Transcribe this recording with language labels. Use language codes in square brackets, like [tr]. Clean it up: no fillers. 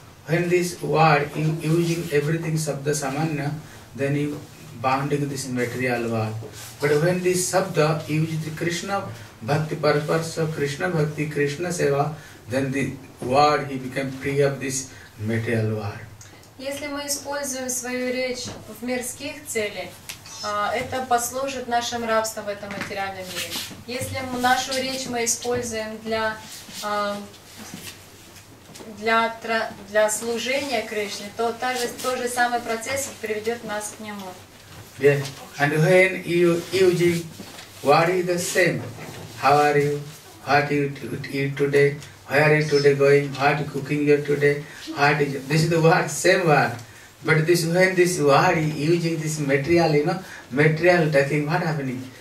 [en] When this word in using everything sabda samanya, then you bounding this material world. But when this sabda used Krishna bhakti purpose, Krishna bhakti, Krishna seva, then the word he became free of this material world. [ru] Если мы используем свою речь в мирских целях, это послужит нашим рабством в этом материальном мире. Если нашу речь мы используем для служения Кришне, то тот же самый процесс приведет нас к нему. [en] Yeah, and when you use what is the same, how are you, what you eat today, where are you today going, what cooking you today, what is this is the word, same word, But this, when this Vahari using this material, you know, material talking, what happening?